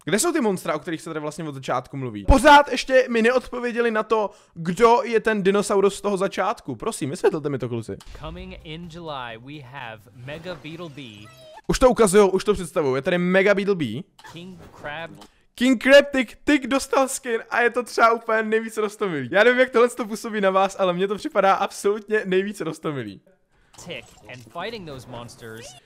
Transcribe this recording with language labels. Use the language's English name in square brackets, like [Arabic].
[Czech] Kde jsou ty monstra, o kterých se tady vlastně od začátku mluví? Pořád ještě mi neodpověděli na to, kdo je ten dinosaurus z toho začátku. Prosím, vysvětlete mi to, kluci. [English] Coming in July we have Mega Beetle B. [Czech] Už to ukazujou, už to představuju. Je tady Mega Beetle B. King Crab. King Crab, tyk dostal skin a je to třeba úplně nejvíc roztomilý. Já nevím, jak tohle to působí na vás, ale mně to připadá absolutně nejvíc roztomilý. [English] Tick and fighting those monsters.